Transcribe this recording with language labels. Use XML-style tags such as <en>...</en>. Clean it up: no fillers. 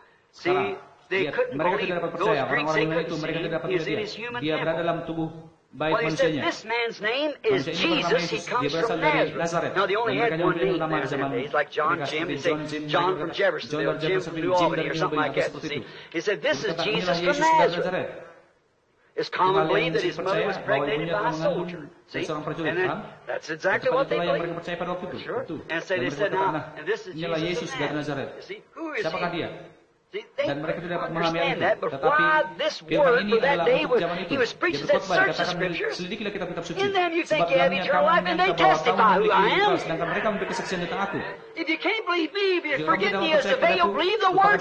<id>Sekarang lihat, mereka tidak dapat percaya orang-orang yang itu, mereka tidak dapat percaya dia berada dalam tubuh baik manusianya. Manusia ini bernama Yesus, dia berasal dari Nazaret. Dan mereka yang memiliki nama di zaman mereka seperti John Jim, John dari Jefferson, Jim dari New Albany, atau seperti itu. Dia berkata, inilah Yesus dari Nazaret.</id> <en>It's common belief that his mother was pregnant by a soldier. See? And then, that's exactly what they believe. Sure. And so they said, now, this is Jesus of Nazareth. See, who is he?</en> <id>Dan mereka tidak dapat memahami itu. Tetapi firman ini adalah untuk zaman itu. Dia berkhotbah, katakan selidikilah kitab-kitab suci. Sebab dalam yang kamu menyangka bahwa kamu memiliki hidup, sedangkan mereka memiliki kesaksian tentang aku. Jika kamu tidak percaya pada aku, lupakan</id>